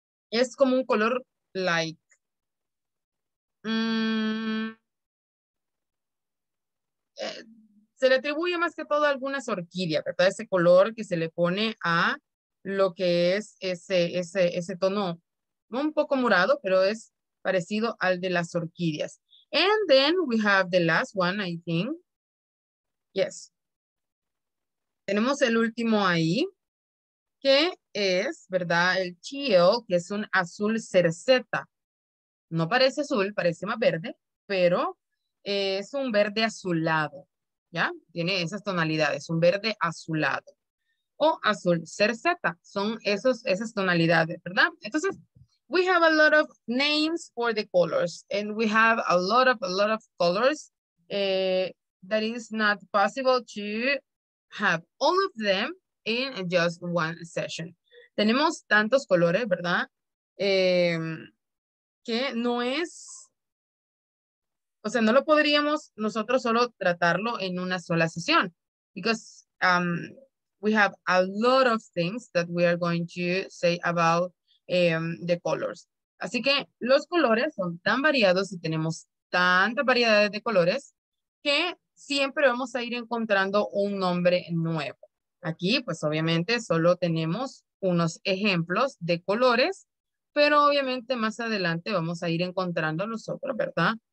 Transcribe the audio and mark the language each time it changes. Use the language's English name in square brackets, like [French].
[Spanish] Es como un color se le atribuye más que todo a algunas orquídeas, ¿verdad? Ese color que se le pone a lo que es ese tono un poco morado, pero es parecido al de las orquídeas. [English] And then we have the last one, I think. [Spanish] Yes. Tenemos el último ahí, que es, ¿verdad? El teal, que es un azul cerceta. No parece azul, parece más verde, pero es un verde azulado, ¿ya? Tiene esas tonalidades, un verde azulado. O azul cerceta, son esos, esas tonalidades, ¿verdad? [English] Entonces, we have a lot of names for the colors, and we have a lot of colors that is not possible to have all of them in just one session. [Spanish] Tenemos tantos colores, ¿verdad? Que no es, o sea, no lo podríamos nosotros solo tratarlo en una sola sesión. [English] Because we have a lot of things that we are going to say about the colors. [Spanish] Así que los colores son tan variados y tenemos tantas variedades de colores que siempre vamos a ir encontrando un nombre nuevo. Aquí, pues obviamente, solo tenemos unos ejemplos de colores. Pero obviamente más adelante vamos a ir encontrando nosotros, ¿verdad?